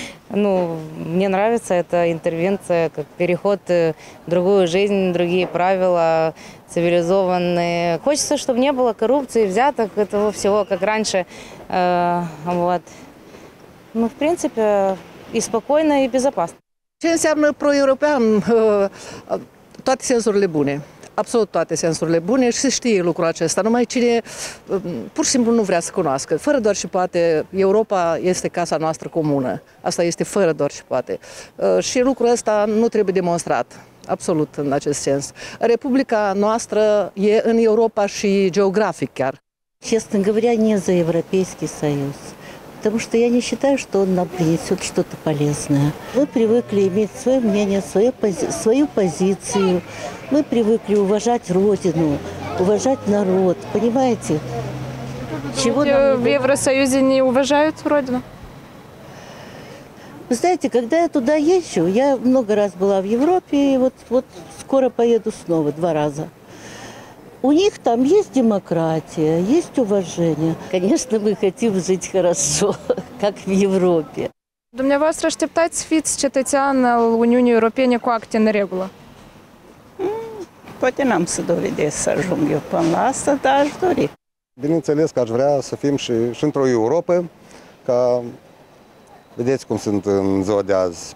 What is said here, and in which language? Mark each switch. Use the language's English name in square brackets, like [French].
[Russian] Ну, мне нравится эта интервенция, как переход в другую жизнь, другие правила, цивилизованные. Хочется, чтобы не было коррупции, взяток, этого всего, как раньше. Вот. Ну, в принципе, и спокойно, и безопасно. Что значит проевропеан? [Romanian] Все сенсорли буни. Absolut toate sensurile bune și se știe lucrul acesta, numai cine pur și simplu nu vrea să cunoască. Fără doar și poate, Europa este casa noastră comună. Asta este fără doar și poate. Și lucrul ăsta nu trebuie demonstrat, absolut în acest sens. Republica noastră e în Europa și geografic chiar. [Russian] Честно говоря, не за Европейский Союз. Потому что я не считаю, что он нам принесет что-то полезное. Мы привыкли иметь свое мнение, свою позицию. Мы привыкли уважать Родину, уважать народ. Понимаете? Чего нам в Евросоюзе не уважают Родину? Вы знаете, когда я туда езжу, я много раз была в Европе, и вот скоро поеду снова, два раза. У них там есть демократия, есть уважение. Конечно, мы хотим жить хорошо, как в Европе. [Romanian] Dumneavoastră așteptați fiți cetățean al Uniunii Europene cu acte în regulă? Poate n-am să dovedesc să ajung eu până la asta, dar aș dori. Bineînțeles că aș vrea să fim și într-o Europă, ca vedeți cum sunt în ziua de azi.